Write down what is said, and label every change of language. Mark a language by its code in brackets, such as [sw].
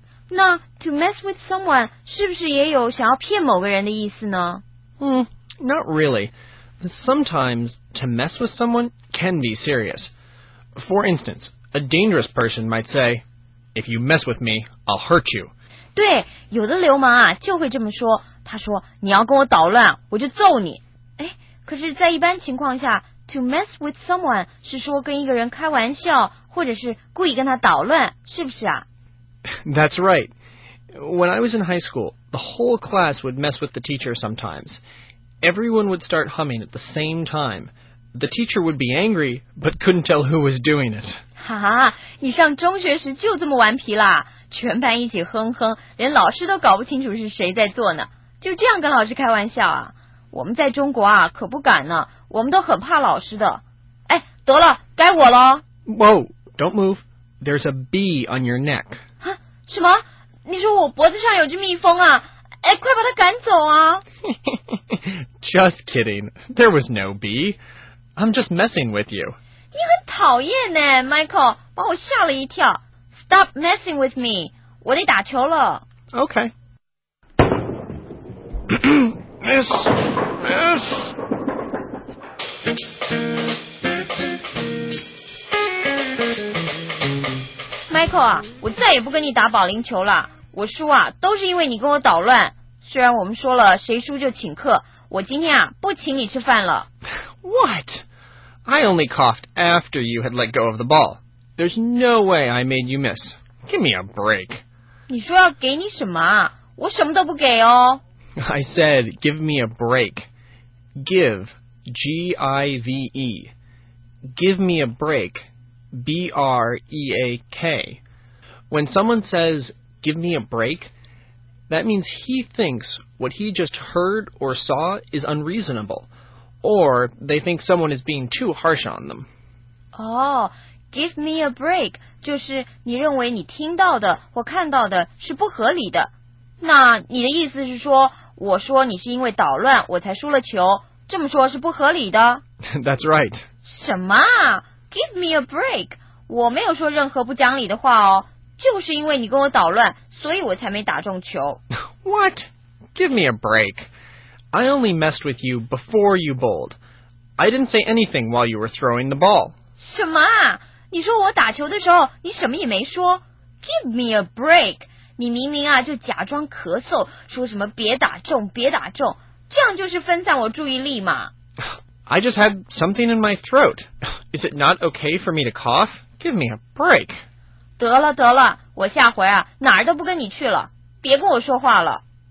[zh] 那 [en] to mess with someone [zh] 是不是也有想要骗某个人的意思呢？ [en] Not really. Sometimes to mess with someone can be serious. For instance, a dangerous person might say,If you mess with me, I'll hurt you. [zh] 对，有的流氓啊就会这么说。他说，你要跟我捣乱，我就揍你。哎，可是在一般情况下 , [en] to mess with someone [zh] 是说跟一个人开玩笑或者是故意跟他捣乱，是不是啊 [en] ?That's right. When I was in high school, the whole class would mess with the teacher sometimes. Everyone would start humming at the same time. The teacher would be angry, but couldn't tell who was doing it. [zh] 哈哈，你上中学时就这么顽皮啦，全班一起哼哼，连老师都搞不清楚是谁在做呢，就这样跟老师开玩笑啊。我们在中国啊可不敢呢，我们都很怕老师的。哎，得了，该我了。 [en] Whoa, don't move. There's a bee on your neck. [zh] 啊，什么？你说我脖子上有只蜜蜂啊？哎，快把它赶走啊。 [en] Just kidding. There was no bee. I'm just messing with you. [zh] 你很讨厌呢 ，Michael， 把我吓了一跳。 [en] Stop messing with me， [zh] 我得打球了。 [en] OK miss, miss.。 [zh] Michael 啊，我再也不跟你打保龄球了。我输啊，都是因为你跟我捣乱。虽然我们说了谁输就请客，我今天啊不请你吃饭了。 [en] What? I only coughed after you had let go of the ball. There's no way I made you miss. Give me a break. [zh] 你说要给你什么？我什么都不给哦。 [en] I said, give me a break. Give, G-I-V-E. Give me a break, B-R-E-A-K. When someone says, give me a break, that means he thinks what he just heard or saw is unreasonable. Or they think someone is being too harsh on them. Oh, give me a break. [zh] 就是你认为你听到的或看到的是不合理的。那你的意思是说，我说你是因为捣乱，我才输了球，这么说是不合理的。 [en] That's right. [zh] 什么？ [en] Give me a break. [zh] 我没有说任何不讲理的话哦，就是因为你跟我捣乱，所以我才没打中球。 [en] What? Give me a break. I only messed with you before you bowled. I didn't say anything while you were throwing the ball. [zh] 什么？你说我打球的时候，你什么也没说？ [en] Give me a break. [zh] 你明明啊，就假装咳嗽，说什么别打中，别打中，这样就是分散我注意力嘛。 [en] I just had something in my throat. Is it not okay for me to cough? Give me a break. [zh] 得了得了，我下回啊，哪儿都不跟你去了，别跟我说话了。